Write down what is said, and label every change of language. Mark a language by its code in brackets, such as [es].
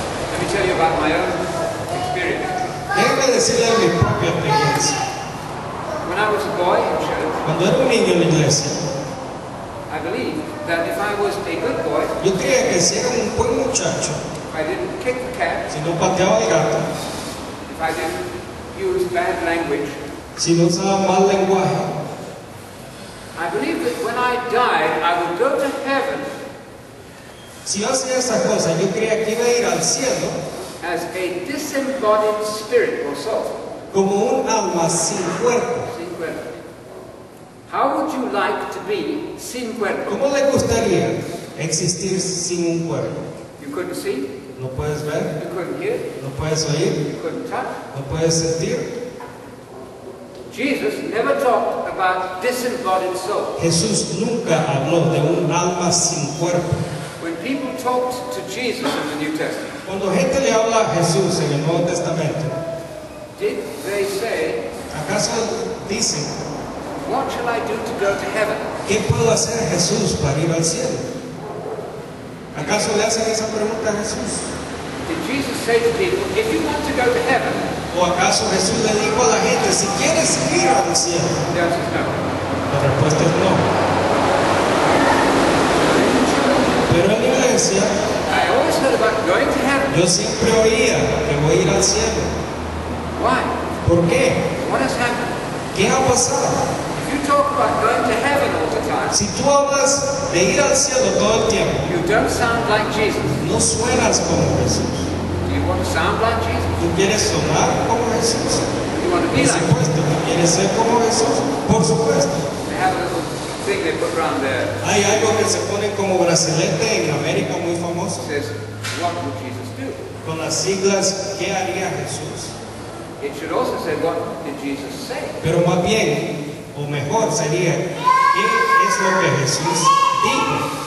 [en] Let me tell you about my own experience. [es] Déjame decirle mi propia experiencia. [en] When I was a boy in church, [es] cuando era un niño en la iglesia, [en] I believed that if I was a good boy, [es] yo creía que si era un buen muchacho, [en] I didn't kick the cat, [es] si no pateaba el gato, [en] if I didn't use bad language, [es] si no usaba mal lenguaje, [en] I believe that when I died, I would go to heaven. [es] Si yo hacía esa cosa, yo creía que iba a ir al cielo [en] as a disembodied spirit or soul. [es] Como un alma sin cuerpo. Sin cuerpo. [en] How would you like to be [es] sin cuerpo? ¿Cómo le gustaría existir sin un cuerpo? [en] You couldn't see. [es] No puedes ver. [en] You couldn't hear. [es] No puedes oír. [en] You couldn't touch. [es] No puedes sentir. [en] Jesus never talked about disembodied soul. [es] Jesús nunca habló de un alma sin cuerpo. [en] When people talked to Jesus in the New Testament, [es] cuando gente le habla a Jesús en el Nuevo Testamento, [en] did they say, [es] acaso dicen, [en] what shall I do to go to heaven? [es] ¿Qué puedo hacer Jesús para ir al cielo? ¿Acaso le hacen esa pregunta a Jesús? [en] Did Jesus say to people, if you want to go to heaven, [es] ¿o acaso Jesús le dijo a la gente, si quieres ir al cielo? [en] Yes, no. [es] La respuesta es no. Pero en la iglesia, [en] I always heard about going to heaven. [es] Yo siempre oía que voy a ir al cielo. [en] Why? [es] ¿Por qué? [en] What has happened? [es] ¿Qué ha pasado? [en] If you talk about going to heaven all the time, [es] si tú hablas de ir al cielo todo el tiempo, [en] you don't sound like Jesus. [es] No suenas como Jesús. [en] Do you want to sound like Jesus? [es] ¿Tú quieres sonar como Jesús? [en] You want to be [es] por supuesto, [en] like [es] ¿tú quieres ser como Jesús? Por supuesto. [en] They have a little thing they put around there. [es] Hay algo que se pone como brazalete en América muy famoso. [en] It says, what would Jesus do? [es] Con las siglas, ¿qué haría Jesús? [en] It should also say, what did Jesus say? [es] Pero más bien, o mejor sería, ¿qué es lo que Jesús dijo?